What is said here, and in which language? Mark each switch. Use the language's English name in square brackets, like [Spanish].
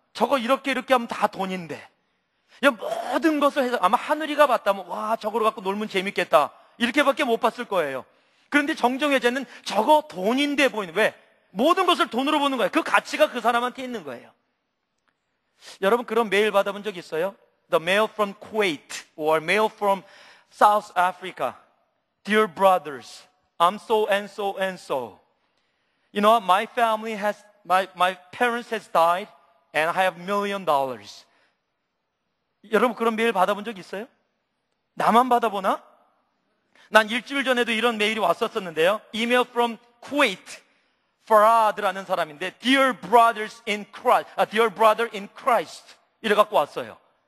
[Korean] 저거 이렇게 이렇게 하면 다 돈인데. 야, 모든 것을 해서 아마 하늘이가 봤다면 와 저거로 갖고 놀면 재밌겠다 이렇게밖에 못 봤을 거예요. 그런데 정정해제는 저거 돈인데 보이는. 왜? 모든 것을 돈으로 보는 거예요. 그 가치가 그 사람한테 있는 거예요. 여러분 그런 메일 받아본 적 있어요? [English] The mail from Kuwait or mail from South Africa. Dear brothers, I'm so and so and so. You know, my family has, my parents has died and I have $1 million. [Korean] 여러분 그런 메일 받아본 적 있어요? 나만 받아보나? 난 일주일 전에도 이런 메일이 왔었었는데요. [English] Email from Kuwait. Farad라는 [Korean] 사람인데 [English] Dear brothers in Christ. Dear brother in Christ. [Korean] 이래 갖고 왔어요.